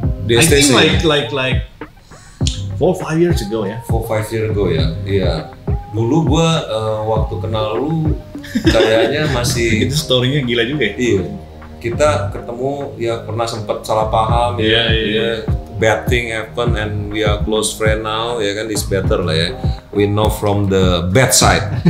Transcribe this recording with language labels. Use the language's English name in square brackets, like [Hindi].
[English] Di SCC. I think like 4-5 years ago ya. 4-5 years ago ya. [Indonesian] Iya. Dulu gue waktu kenal lu kayaknya masih itu story-nya gila juga ya. Iya. Kita ketemu ya pernah sempat salah paham ya. Iya. [English] Bad thing happen and we are close friend now, [Indonesian] ya kan? [English] It's better lah ya. We know from the bad side.